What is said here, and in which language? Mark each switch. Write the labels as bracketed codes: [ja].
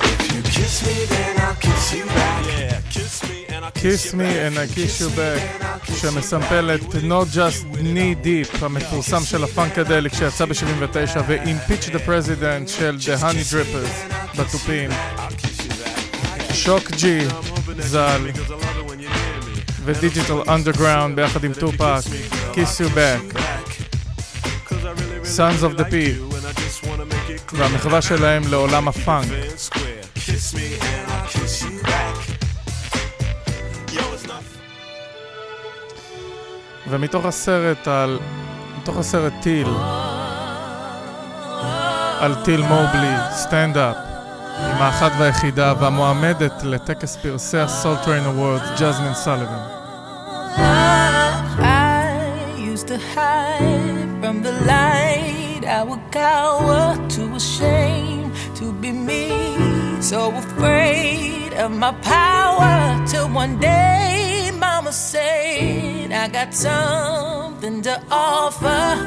[en] If you kiss me, then I'll kiss you back. Yeah, kiss me. [he] Kiss me and I kiss you back, שמסמפלת Not Just Knee Deep, המפורסם של הפאנקדליק שיצא ב-79 ועם Pitch the President של The Honey Drippers בתופים. שוק ג'י ז"ל ודיג'יטל אנדרגראונד ביחד עם טופאק, Kiss You Back, Sons of the P והמחווה שלהם לעולם הפאנק. ומתוך הסרט על... מתוך הסרט טיל, על טיל מובלי, סטנדאפ, עם האחת והיחידה והמועמדת לטקס פרסי הסול טריין אוורדס, ג'זמין סליבן. [en] I used to hide from the light. I would cower, too ashamed to be me. So afraid of my power, till one day mama said, I got something to offer.